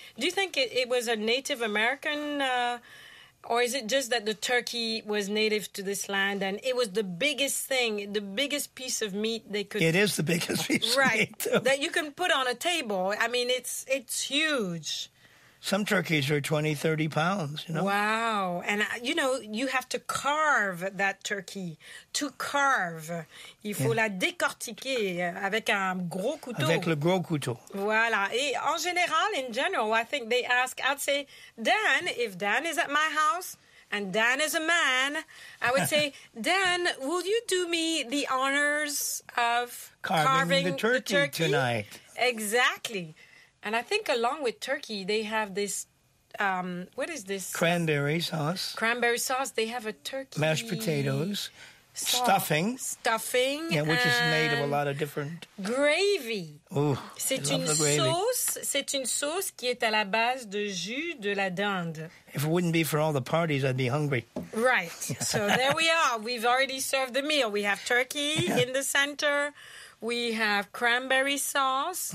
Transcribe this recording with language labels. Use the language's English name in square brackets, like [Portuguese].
[English] Do you think it was a Native American or is it just that the turkey was native to this land and it was the biggest thing, the biggest piece of meat they could... It is the biggest piece of right, meat. Right, that you can put on a table. I mean, it's huge. Some turkeys are 20, 30 pounds, you know? Wow. And, you know, you have to carve that turkey. To carve. [French] Il faut la décortiquer avec un gros couteau. Avec le gros couteau. Voilà. [English] Et en général, in general, I think they ask, I'd say, Dan, if Dan is at my house, and Dan is a man, I would say, Dan, will you do me the honors of carving the turkey tonight? Exactly. And I think along with turkey, they have this, what is this? Cranberry sauce. Cranberry sauce. They have a turkey. Mashed potatoes. Sauce. Stuffing. Stuffing. Yeah, which is made of a lot of different. Gravy. Ooh, [French] c'est une [English] gravy. [French] Sauce. C'est une sauce qui est à la base de jus de la dinde. [English] If it wouldn't be for all the parties, I'd be hungry. Right. So there we are. We've already served the meal. We have turkey in the center. We have cranberry sauce.